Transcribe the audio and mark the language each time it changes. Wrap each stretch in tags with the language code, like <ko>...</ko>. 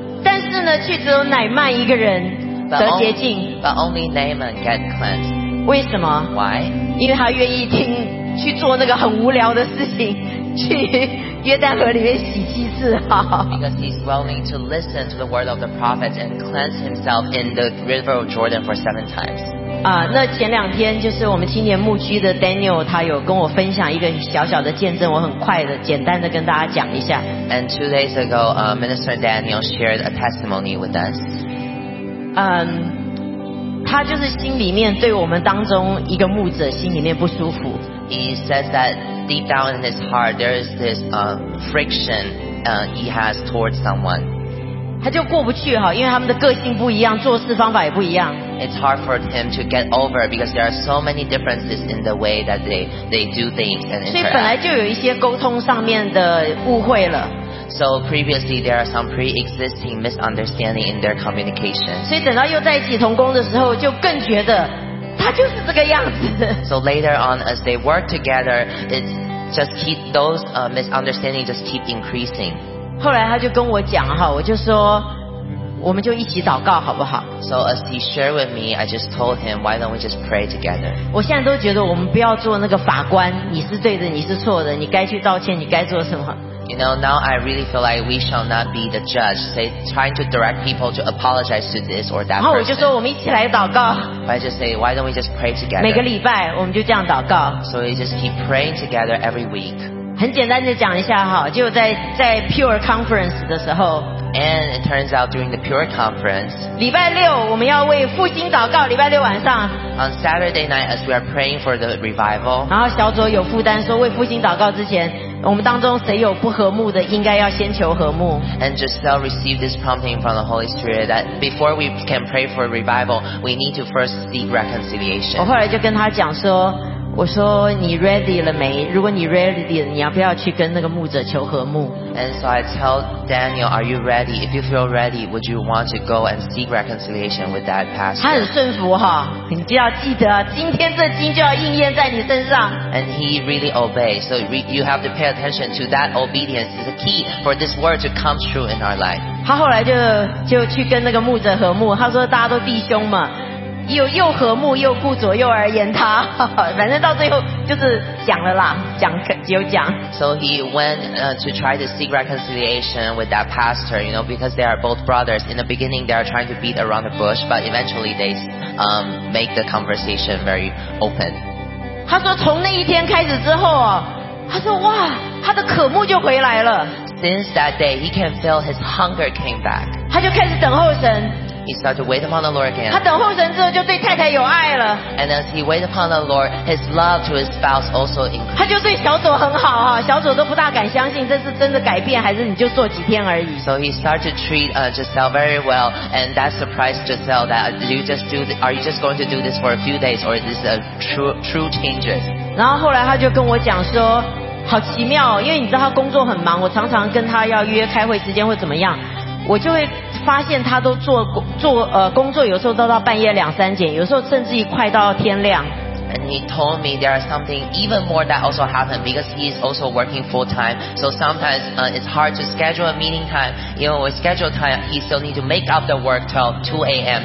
<zh>但是呢，却只有乃曼一个人得洁净。</zh> <en>But only Naaman got cleansed.</en> <zh>为什么</zh> <en>？Why?</en> <zh>因为他愿意听去做那个很无聊的事情，去约旦河里面洗七次哈。</zh> <en>Because he's willing to listen to the word of the prophets and cleanse himself in the river of Jordan for seven times.</en> <zh>那前两天就是我们青年牧区的 Daniel， 他有跟我分享一个小小的见证，我很快的、简单的跟大家讲一下。</zh> <en>And two days ago, Minister Daniel shared a testimony with us.</en> <zh>他就是心里面对我们当中一个牧者心里面不舒服。</zh> <en>He says that deep down in his heart there is this friction he has towards someone.</en> <zh>他就过不去哈，因为他们的个性不一样，做事方法也不一样。</zh> <en>It's hard for him to get over because there are so many differences in the way that they do things and interact.</en> <zh>所以本来就有一些沟通上面的误会了。</zh> <en>So previously there are some pre-existing misunderstanding in their communication.</en> <zh>所以等到又在一起同工的时候，就更觉得他就是这个样子。</zh> <en>So later on as they work together, it just keep those misunderstanding just keep increasing.</en> <zh>后来他就跟我讲哈，我就说，我们就一起祷告好不好</zh> <en>？So as he shared with me, I just told him, why don't we just pray together?</en> <zh>我现在都觉得我们不要做那个法官，你是对的，你是错的，你该去道歉，你该做什么</zh> <en>？You know, now I really feel like we shall not be the judge, say trying to direct people to apologize to this or that.</en> <zh>然后我就说，我们一起来祷告。</zh> <en>I just say, why don't we just pray together?</en> <zh>每个礼拜我们就这样祷告。</zh> <en>So we just keep praying together every week.</en> <zh>很简单的讲一下哈，就在 Pure Conference 的时候</zh> <en>，And it turns out during the Pure Conference，</en> <zh>礼拜六我们要为复兴祷告，礼拜六晚上</zh> <en>，On Saturday night as we are praying for the revival，</en> <zh>然后小组有负担说为复兴祷告之前，我们当中谁有不和睦的，应该要先求和睦。</zh> <en>And Giselle received this prompting from the Holy Spirit that before we can pray for revival， we need to first seek reconciliation。</en> <zh>我后来就跟他讲说。我说你 ready 了没？如果你 ready 了，你要不要去跟那个牧者求和睦</zh> <en>？And so I tell Daniel, are you ready? If you feel ready, would you want to go and seek reconciliation with that pastor?</en> <zh>他很顺服哈，你就要记得，今天这经就要应验在你身上。</zh> <en>And he really obeys, so you have to pay attention to that obedience is the key for this word to come true in our life.</en> <zh>他后来就去跟那个牧者和睦，他说大家都弟兄嘛。又和睦又顾左右而言他，反正到最后就是讲了啦，讲就讲。</zh> <en>So he went to try to seek reconciliation with that pastor, you know, because they are both brothers. In the beginning, they are trying to beat around the bush, but eventually they make the conversation very open.</en> <zh>他说从那一天开始之后啊，他说哇，他的渴慕就回来了。</zh> <en>Since that day, he can feel his hunger came back.</en> <zh>他就开始等候神。</zh> <en>He started to wait upon the Lord again.</en> <zh>他等候神之后就对太太有爱了。</zh> <en>And as he waited upon the Lord, his love to his spouse also increased.</en> <zh>他就对小组很好哈，小组都不大敢相信这是真的改变，还是你就做几天而已。</zh> <en>So he started to treat Giselle very well, and that surprised Giselle that are you just going to do this for a few days, or is this a true changes?</en> <zh>然后后来他就跟我讲说，好奇妙，因为你知道他工作很忙，我常常跟他要约开会时间或怎么样。我就会发现他都做工作，有时候都到半夜两三点，有时候甚至于快到天亮。</zh> <en>And he told me there is something even more that also happened because he is also working full time. So sometimes it's hard to schedule a meeting time. You know, with schedule time, he still need to make up the work till 2 a.m.</en>